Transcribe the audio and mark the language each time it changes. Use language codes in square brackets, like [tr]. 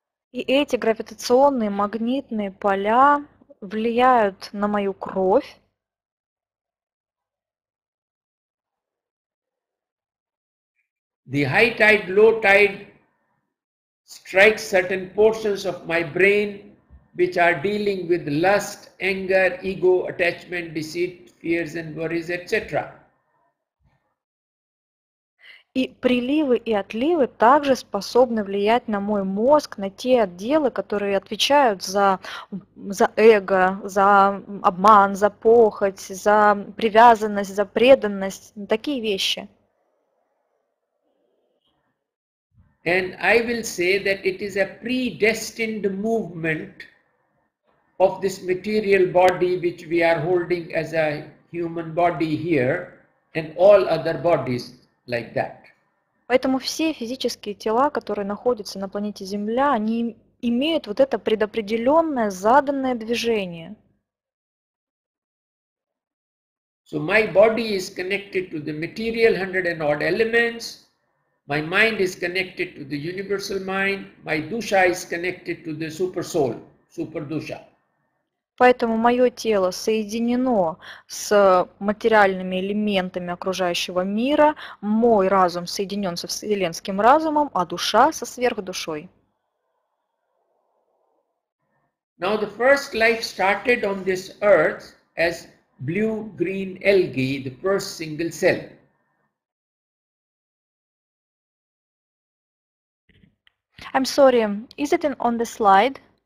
[ru] И эти гравитационные магнитные поля влияют на мою кровь. [en] The high tide, low tide strikes certain portions of my brain, which are dealing with lust, anger, ego, attachment, deceit, fears and worries, etc. [ru] И приливы и отливы также способны влиять на мой мозг, на те отделы, которые отвечают за эго, за обман, за похоть, за привязанность, за преданность, такие вещи. [en] And I will say that it is a predestined movement of this material body which we are holding as a human body here. and all other bodies like that. [ru] Поэтому все физические тела, которые находятся на планете Земля, они имеют вот это предопределенное, заданное движение. [en] So my body is connected to the material 100 and odd elements. My mind is connected to the universal mind. My dusha is connected to the super soul, super dusha. [ru] Поэтому мое тело соединено с материальными элементами окружающего мира, мой разум соединен со вселенским разумом, а душа со сверхдушой. [en] Now the first life started on this earth as blue-green algae, the first single cell. I'm sorry, is it on the slide?